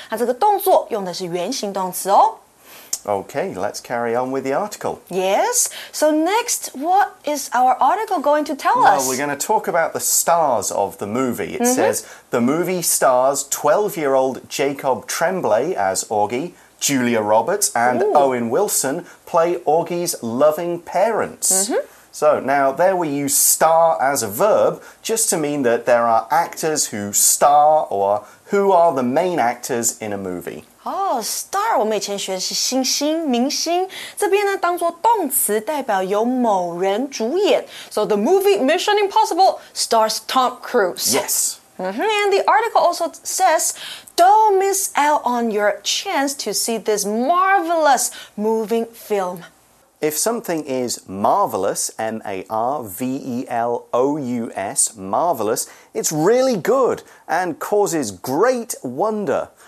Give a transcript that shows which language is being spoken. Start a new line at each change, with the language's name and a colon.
Chinese: 那这个动作用的是原形动词哦。
English: Okay, let's carry on with the article. Yes, so next, what is our article going to tell us? Well, we're going to talk about the stars of the movie. It says, the movie stars 12-year-old Jacob Tremblay as Augie, Julia Roberts and Owen Wilson play Augie's loving parents. So now there we use star as a verb just to mean that there are actors who star or who are the main actors in a movie.
Chinese: Oh, star, 我们以前学的是星星、明星。这边呢，当作动词，代表由某人主演。
English: So the movie Mission Impossible stars Tom Cruise. Yes. And the article also says, don't miss out on your chance to see this marvelous moving film. If something is marvelous, M-A-R-V-E-L-O-U-S, marvelous, it's really good and causes great wonder.